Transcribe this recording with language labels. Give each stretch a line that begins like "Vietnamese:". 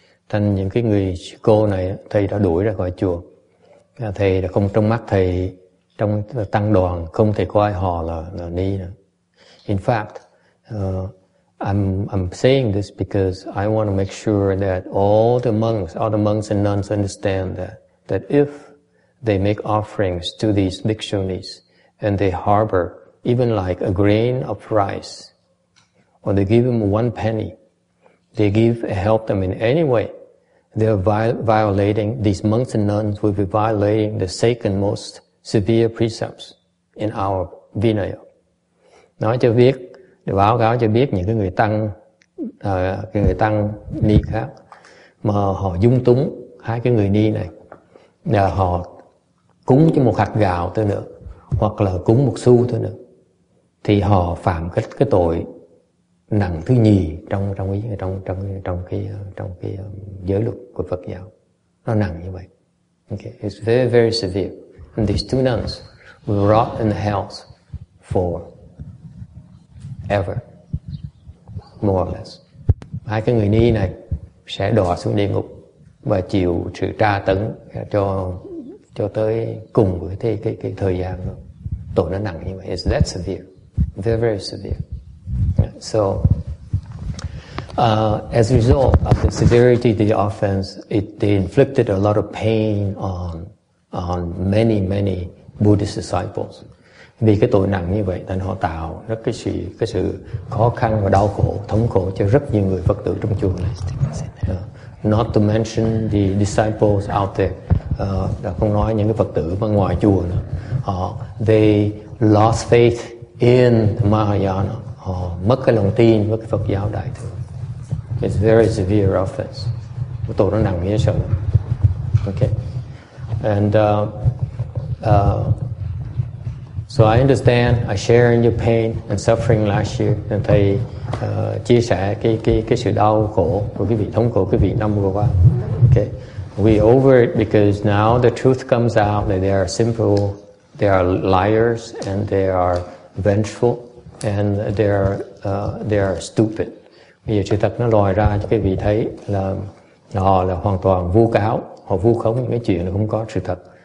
Vietnamese: Thành những cái người cô này thầy đã đuổi ra khỏi chùa, thầy đã không, trong mắt thầy, trong tăng đoàn không thể coi họ là ni nữa.
English: In fact, I'm saying this because I want to make sure that all the monks and nuns understand that if they make offerings to these bhikshunis and they harbor even like a grain of rice, or they give them one penny, help them in any way, they're violating, these monks and nuns will be violating the second most severe precepts in our Vinaya.
Vietnamese: Nói cho biết, để báo cáo cho biết những cái người tăng, cái người tăng ni khác mà họ dung túng hai cái người ni này, là họ cúng cho một hạt gạo thôi nữa, hoặc là cúng một xu thôi nữa, thì họ phạm cái tội đẳng thứ nhì trong trong cái trong trong trong cái trong cái giới luật của Phật giáo, nó nặng như vậy.
English: Okay, it's very very severe. And these two nuns will rot in the hells for ever, more or less.
Vietnamese: Hai cái người ni này sẽ đọa xuống địa ngục và chịu sự tra tấn cho tới cùng với cái thời gian đó. Tội nó nặng như vậy.
English: It's that severe. Very very severe. So, as a result of the severity of the offense, they inflicted a lot of pain on many many Buddhist disciples.
Vietnamese: Vì cái tội nặng như vậy, nên họ tạo rất cái sự khó khăn và đau khổ, thống khổ cho rất nhiều người Phật tử trong chùa này.
English: Not to mention the disciples out there,
Vietnamese: đã không nói những cái Phật tử bên ngoài chùa nữa.
English: They lost faith in Mahayana.
Vietnamese: Họ mất cái lòng tin với cái Phật giáo đại thừa.
English: It's very severe offense.
Vietnamese: Cái tội nó nặng như sao. Okay.
English: And so I understand, I share in your pain and suffering last year.
Vietnamese: And thầy chia sẻ cái sự đau khổ của quý vị, thống khổ quý vị năm vừa qua. Okay.
English: We over it because now the truth comes out that they are sinful, they are liars, and they are vengeful, and they are stupid.
Vietnamese: Bây giờ sự thật nó lòi ra cho quý vị thấy là họ là hoàn toàn vu cáo, họ vu khống những cái chuyện không có sự thật.